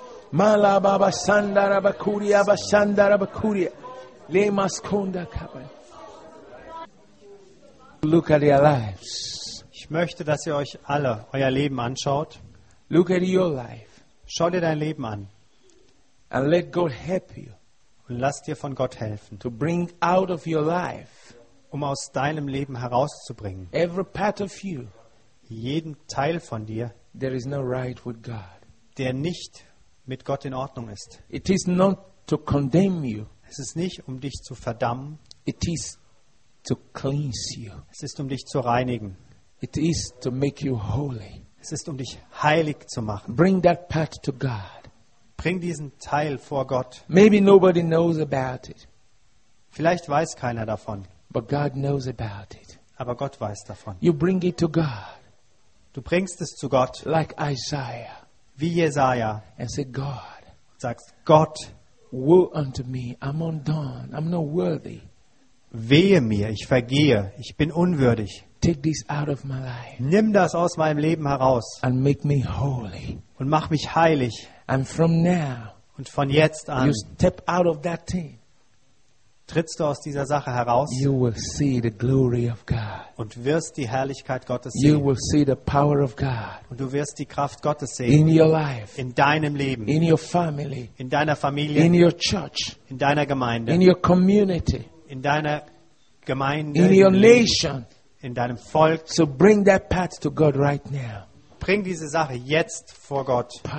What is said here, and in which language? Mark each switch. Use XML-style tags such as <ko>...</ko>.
<en>Mala baba sandara bakuria bashandara bakuria le maskunda kapai. Look at your lives.</en> <de>Ich möchte, dass ihr euch alle euer Leben anschaut.</de> <en>Look at your life.</en> <de>Schau dir dein Leben an.</de> <en>And let God help you.</en> <de>Und lass dir von Gott helfen.</de> <en>To bring out of your life.</en> <de>Um aus deinem Leben herauszubringen.</de> <en>Every part of you.</en> <de>Jeden Teil von dir.</de> <en>There is no right with God.</en> <de>Der nicht mit Gott in Ordnung ist.</de> <en>It is not to condemn you.</en> <de>Es ist nicht, um dich zu verdammen.</de> <en>It is to cleanse you.</en> <de>Es ist, um dich zu reinigen.</de> <en>It is to make you holy.</en> <de>Es ist, um dich heilig zu machen.</de> <en>Bring that part to God.</en> <de>Bring diesen Teil vor Gott.</de> <en>Maybe nobody knows about it.</en> <de>Vielleicht weiß keiner davon.</de> <en>But God knows about it.</en> <de>aber Gott weiß davon.</de> <en>You bring it to God.</en> <de>Du bringst es zu Gott.</de> <en>Like Isaiah.</en> <de>Wie Jesaja.</de> <en>And say, God.</en> <de>Und sagst, Gott.</de> <en>Woe unto me, I'm undone, I'm not worthy.</en> <de>Wehe mir, ich vergehe, ich bin unwürdig.</de> <en>Take this out of my life.</en> <de>Nimm das aus meinem Leben heraus.</de> <en>And make me holy.</en> <de>Und mach mich heilig.</de> <en>And from now.</en> <de>Und von jetzt an.</de> <en>You step out of that thing.</en> <de>Trittst du aus dieser Sache heraus?</de> <en>You will see the glory of God.</en> <de>Und wirst die Herrlichkeit Gottes sehen.</de> <en>You will see the power of God.</en> <de>Und du wirst die Kraft Gottes sehen.</de> <en>In your life.</en> <de>In deinem Leben.</de> <en>In your family.</en> <de>In deiner Familie.</de> <en>In your church.</en> <de>In deiner Gemeinde.</de> <en>In your community.</en> <de>In deiner Gemeinde.</de> <en>In your nation.</en> <de>In deinem Volk.</de> <en>So bring that path to God right now.</en> <de>Bring diese Sache jetzt vor Gott.</de>